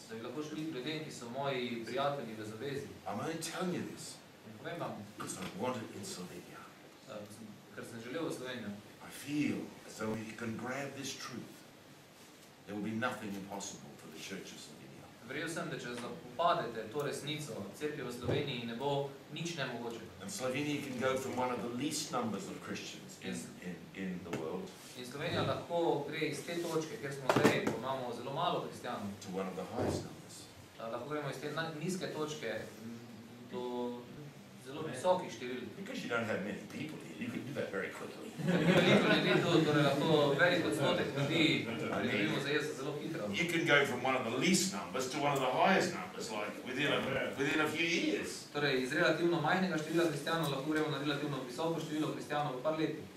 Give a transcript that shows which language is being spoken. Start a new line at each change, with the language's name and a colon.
Slovenian: Da bi lahko šli ljudje, ki so moji prijatelji v zavezi.
English: I'm only telling you this.
Slovenian: Povem vam.
English: Because I want it in Slovenia.
Slovenian: Ker sem želel v Slovenijo.
English: I feel as though if you can grab this truth, there will be nothing impossible for the church of Slovenia.
Slovenian: Verjel sem, da če zapopadete to resnico, cerkvi v Sloveniji ne bo nič nemogoče.
English: And Slovenia can go from one of the least numbers of Christians in the world.
Slovenian: In Slovenija lahko gre iz te točke, kjer smo zdaj, ko imamo zelo malo kristijanov.
English: To one of the highest numbers.
Slovenian: Lahko gremo iz te nizke točke do zelo visokih števil.
English: Because you don't have many people here, you can do that very quickly. You can go from one of the least numbers to one of the highest numbers, like within a few years.
Slovenian: Torej, iz relativno majhnega števila kristijanov lahko gremo na relativno visoko število kristijanov v par leti.